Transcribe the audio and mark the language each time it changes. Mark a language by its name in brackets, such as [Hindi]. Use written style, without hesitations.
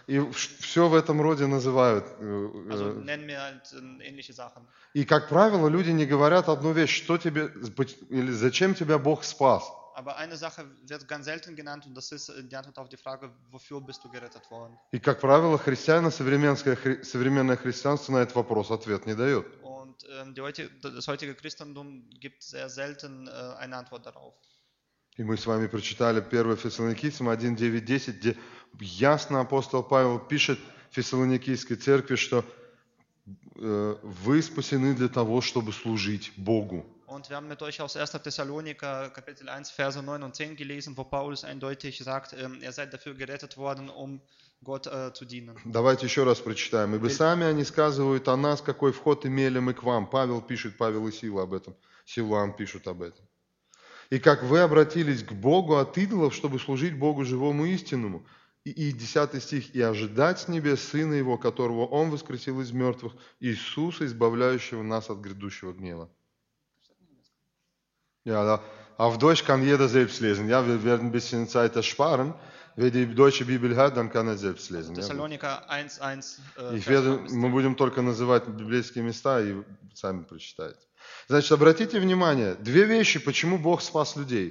[Russian] И все в этом роде называют. [German] Also, nenn mir halt ähnliche Sachen. [Russian] И, как правило, люди не говорят одну вещь, что тебе, или зачем тебя Бог спас. [German] Aber eine Sache wird ganz selten genannt, und das ist die Antwort auf die Frage, wofür bist du gerettet worden? [Russian] И, как правило, христиане, современное христианство на этот вопрос ответ не дает. [German] Und das heutige Christentum gibt sehr selten eine Antwort darauf. [Russian] И мы с вами прочитали 1 Фессалоникийцам 1:9-10, где ясно апостол Павел пишет Фессалоникийской церкви, что вы спасены для того, чтобы служить Богу. [German] Und wir haben mit euch aus 1. Thessaloniker Kapitel 1 Verse 9 und 10 gelesen, wo Paulus eindeutig sagt, ihr seid dafür gerettet worden, um Gott zu dienen. [Russian] Давайте еще раз прочитаем. Ибо сами они сказывают о нас, какой вход имели мы к вам. Павел пишет, Павел и Сила об этом. Силам пишут об этом. И как вы обратились к Богу от идолов, чтобы служить Богу живому и истинному. И 10 стих. И ожидать с небес Сына Его, которого Он воскресил из мертвых, Иисуса, избавляющего нас от грядущего гнева. [German] Ja, da, auf Deutsch kann jeder selbst lesen. Ja, wir werden ein bisschen Zeit ersparen. Wer die deutsche Bibel hat, dann kann er selbst lesen. Thessaloniker 1:1. [Russian] Мы будем только называть библейские места и сами прочитайте. Значит, обратите внимание, две вещи, почему Бог спас людей.